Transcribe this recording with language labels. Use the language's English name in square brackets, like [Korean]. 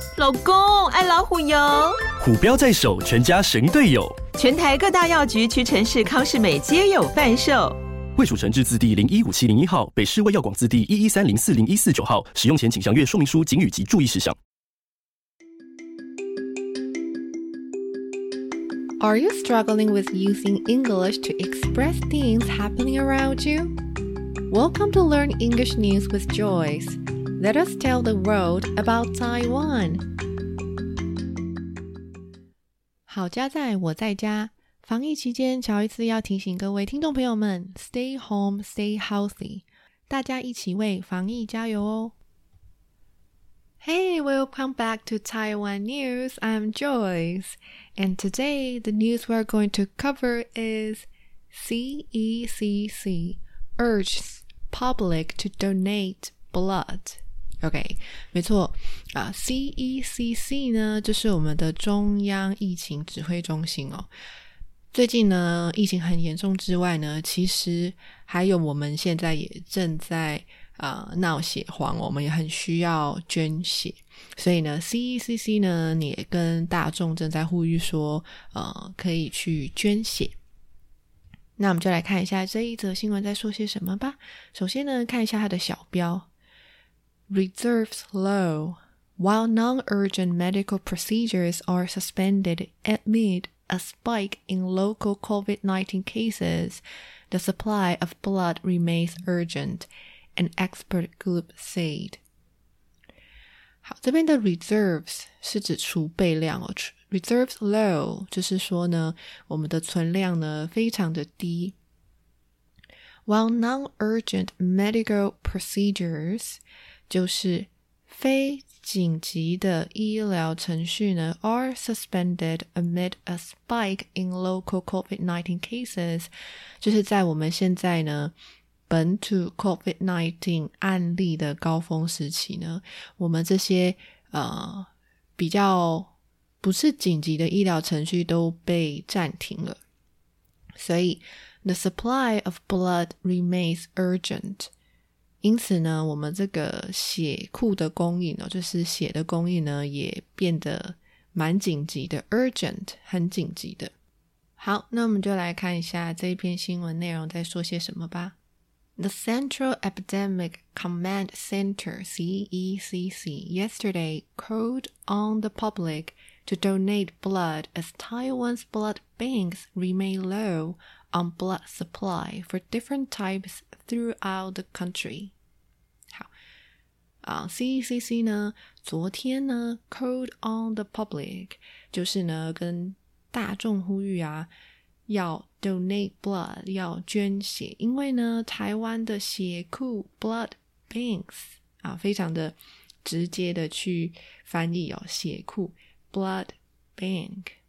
[Chinese] 老公，爱老虎油。虎标在手，全家神队友。全台各大药局、屈臣氏、康士美皆有贩售。卫蜀成字字第015701号，北市卫药广字第113040149号。使用前请详阅说明书、警语及注意事项。 [English] Are you struggling with using English to express things happening around you? Welcome to Learn English News with Joyce. Let us tell the world about Taiwan. [Chinese] 好家在我在家。防疫期间，乔伊斯要提醒各位听众朋友们 , [English] Stay home, stay healthy. [Chinese] 大家一起为防疫加油哦。 [English] Hey, welcome back to Taiwan News. I'm Joyce. And today, the news we're going to cover is CECC urges public to donate blood. [Chinese] Okay, 没错、CECC 呢就是我们的中央疫情指挥中心哦。最近呢疫情很严重之外呢，其实还有我们现在也正在闹血荒，我们也很需要捐血，所以呢 CECC 呢你也跟大众正在呼吁说可以去捐血。那我们就来看一下这一则新闻在说些什么吧。首先呢看一下它的小标， [English] Reserves low while non-urgent medical procedures are suspended amid a spike in local COVID-19 cases, the supply of blood remains urgentAn expert group said. [Chinese] 好，这边的 reserves 是指储备量哦。 [English] Reserves low [Chinese] 就是说呢，我们的存量呢非常的低。 [English] While non-urgent medical procedures [Chinese] 就是非紧急的医疗程序呢 [English] are suspended amid a spike in local COVID-19 cases， [Chinese] 就是在我们现在呢。本土 COVID-19 案例的高峰时期呢，我们这些比较不是紧急的医疗程序都被暂停了，所以 [English] the supply of blood remains urgent， [Chinese] 因此呢我们这个血库的供应哦，就是血的供应呢也变得蛮紧急的， urgent 很紧急的。好，那我们就来看一下这一篇新闻内容在说些什么吧。 [English] The Central Epidemic Command Center, CECC, yesterday called on the public to donate blood as Taiwan's blood banks remain low on blood supply for different types throughout the country. [Chinese] 好，CECC 呢，昨天呢， [English] called on the public, [Chinese] 就是呢，跟大众呼吁啊，要 [English] donate blood， [Chinese] 要捐血，因为呢台湾的血库 blood banks 啊，非常的直接的去翻译哦，血库 blood bank